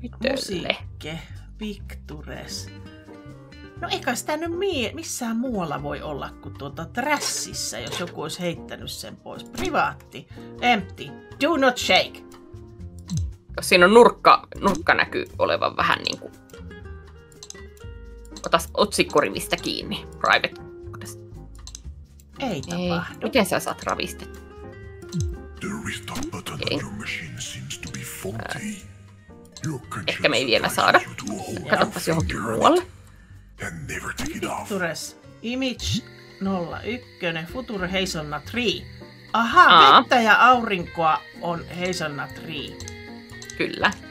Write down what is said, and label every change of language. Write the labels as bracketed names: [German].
[Finnish] Musiikke, pictures. No eikä sitä nyt missään muualla voi olla kuin tuota trässissä, jos joku olisi heittänyt sen pois. [English] Privaatti, empty, do not shake. [Finnish] Siinä on nurkka näkyy olevan vähän niin kuin... Ota otsikkorivistä kiinni, private. Ei tapahdu. Miten sä saat ravistet? [English] There is that button on your machine seems to be faulty. [Finnish] Ehkä me ei vielä saada. Katsotaan johonkin muualle. [English] And never take it off. Futures. Image 01. Future Hazelnut 3. [Finnish] Aha, vettä ja aurinkoa on Hazelnut 3. Kyllä.